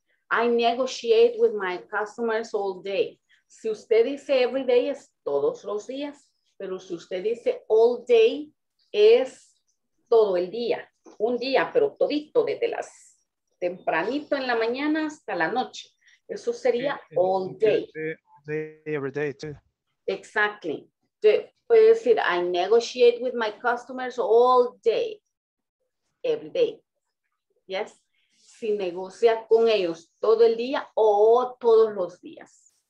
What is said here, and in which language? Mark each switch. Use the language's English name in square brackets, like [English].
[English] I negotiate with my customers all day. [Spanish] Si usted dice [English] every day [Spanish] es todos los días. Pero si usted dice all day es todo el día. Un día, pero todito desde las tempranito en la mañana hasta la noche. Eso sería all day. [English] Day every day too. Exactly. [Spanish] Puede decir, [English] I negotiate with my customers all day. Every day. Yes. [Spanish] Si negocia con ellos todo el día o todos los días.